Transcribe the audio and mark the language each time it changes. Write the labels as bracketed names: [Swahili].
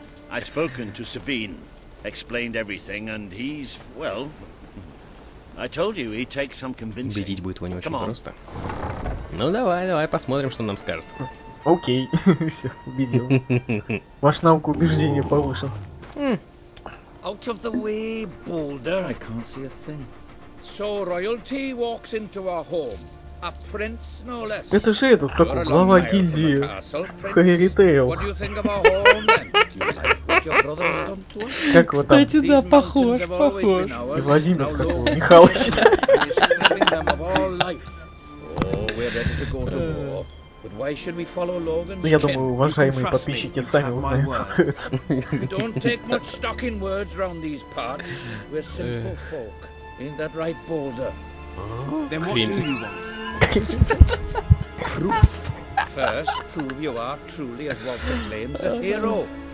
[English] I've spoken to Sabine, explained everything, and he's well. I told you he takes some convincing. [Russian] Убедить будет его не очень просто. Ну давай, давай, посмотрим, что он нам скажет. Окей, все, убедил. Ваш навык убеждения повышен. [English] Out of the way, Boulder. I can't see a thing. So royalty walks into our home. A prince, no less. [Russian] Это же этот, как глава гильдии Хэри Тейл. Как вот там? Кстати, да, похож, похож. И Владимир, как его, Михалыч. Ну, я думаю, уважаемые подписчики сами узнают. [English] Don't take much stock in words around these parts. We're simple folk. Ain't that right, Boulder? Then what do you want? Proof. First, prove you are truly, as Walter claims, a hero.